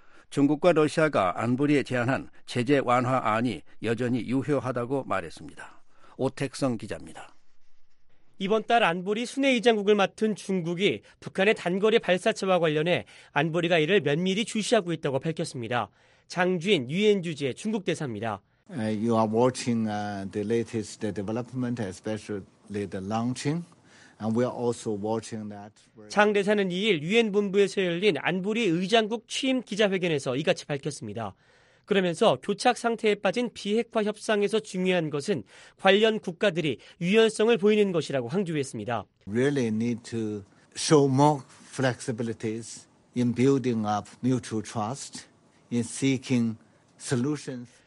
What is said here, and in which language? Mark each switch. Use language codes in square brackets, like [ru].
[ko] 중국과 러시아가 안보리에 제안한 제재 완화안이 여전히 유효하다고 말했습니다. 오택성 기자입니다. 이번 달 안보리 순회의장국을 맡은 중국이 북한의 단거리 발사체와 관련해 안보리가 이를 면밀히 주시하고 있다고 밝혔습니다. 장주인 유엔 주재 중국 대사입니다. [en] You are watching the latest development, especially the launching. And we are also watching that. [ko] 장 대사는 2일 유엔 본부에서 열린 안보리 의장국 취임 기자회견에서 이같이 밝혔습니다. 그러면서 교착 상태에 빠진 비핵화 협상에서 중요한 것은 관련 국가들이 유연성을 보이는 것이라고 강조했습니다. [en] Really need to show more flexibilities in building up mutual trust in seeking solutions.